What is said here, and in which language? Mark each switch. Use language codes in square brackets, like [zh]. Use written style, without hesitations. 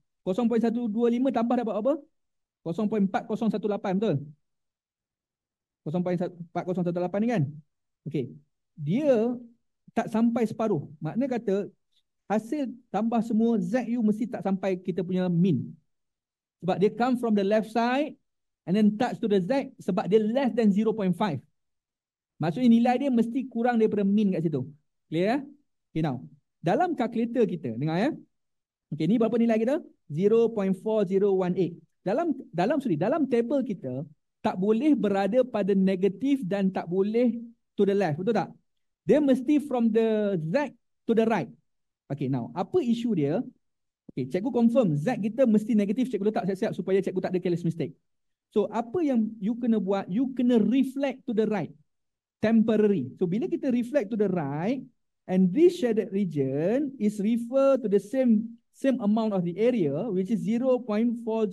[ms] 0.125 tambah dapat apa? 0.4018 betul? 0.4018 ni kan? Okay. Dia tak sampai separuh. Makna kata, hasil tambah semua ZU mesti tak sampai kita punya mean. Sebab dia [en] come from the left side, and then touch to the Z [ms] sebab dia [en] less than 0.5. [ms] Maksudnya nilai dia mesti kurang daripada mean kat situ. Clear ya? [en] Okay now. [ms] Dalam calculator kita, dengar ya. Okay, ni berapa nilai kita? 0.4018. Dalam table kita, tak boleh berada pada negatif dan tak boleh [en] to the left. [ms] Betul tak? Dia mesti [en] from the Z to the right. Okay now, [ms] apa isu dia? Okay, cikgu confirm Z kita mesti negatif. Cikgu letak siap-siap supaya cikgu tak ada [en] careless mistake. [ms] So apa yang you kena buat, you kena [en] reflect to the right. [ms] Temporary. [en] So bila kita reflect to the right, and this shaded region is refer to the same amount of the area, which is 0.4018.